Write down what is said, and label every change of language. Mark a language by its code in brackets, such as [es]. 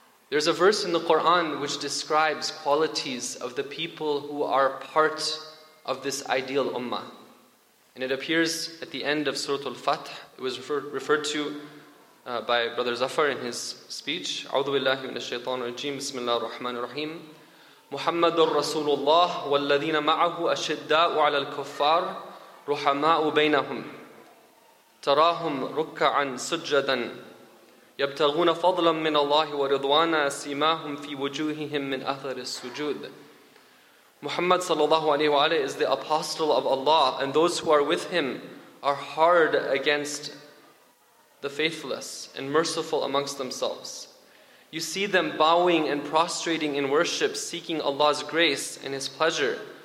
[en] There's a verse in the Quran which describes qualities of the people who are part of this ideal ummah. And it appears at the end of Surah Al-Fath. It was referred to by Brother Zafar in his speech. [ar] أعوذ بالله من الشيطان الرجيم بسم الله الرحمن الرحيم محمد رسول الله والذين معه أشداء على الكفار رحماء بينهم تراهم ركعا سجدا يبتغون فضلا من الله ورضوانا سيماهم في وجوههم من أثر السجود. [en] Muhammad sallallahu alayhi wa alayhi is the apostle of Allah, and those who are with him are hard against the faithless and merciful amongst themselves. You see them bowing and prostrating in worship, seeking Allah's grace and his pleasure.